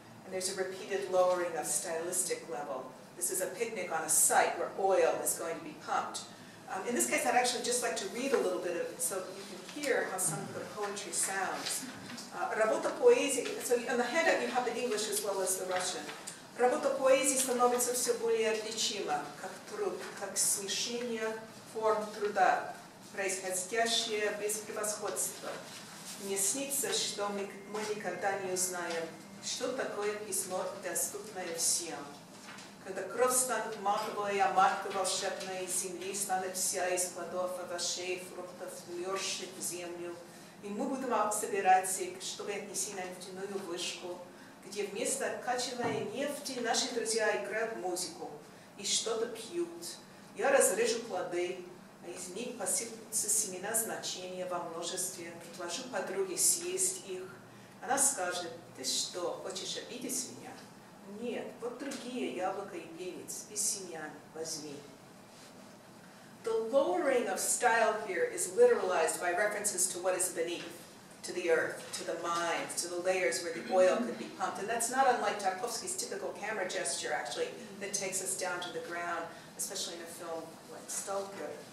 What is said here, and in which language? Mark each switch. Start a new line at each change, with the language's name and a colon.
English: And there's a repeated lowering of stylistic level. This is a picnic on a site where oil is going to be pumped. In this case, I'd actually just like to read a little bit of it so you can hear how some of the poetry sounds.
Russian: Работа поэзии,
English: so in the handout you have the English as well as the Russian.
Russian: Работа поэзии становится все более отличима, как труд, как смешение форм труда, происходящее без превосходства. Мне снится, что мы никогда не узнаем, что такое письмо, доступное всем. Когда кровь станет матовой, а матка волшебной, земли станет вся из плодов, овощей, фруктов, вьерших в землю, и мы будем собираться, чтобы отнести нефтяную вышку, где вместо качевой нефти наши друзья играют музыку и что-то пьют. Я разрежу плоды, а из них посыпутся семена значения во множестве, предложу подруге съесть их. Она скажет, ты что, хочешь обидеть меня? Нет, вот другие яблоко и перец, и семян возьми.
English: The lowering of style here is literalized by references to what is beneath, to the earth, to the mines, to the layers where the oil could be pumped. And that's not unlike Tarkovsky's typical camera gesture, actually, that takes us down to the ground, especially in a film like Stalker.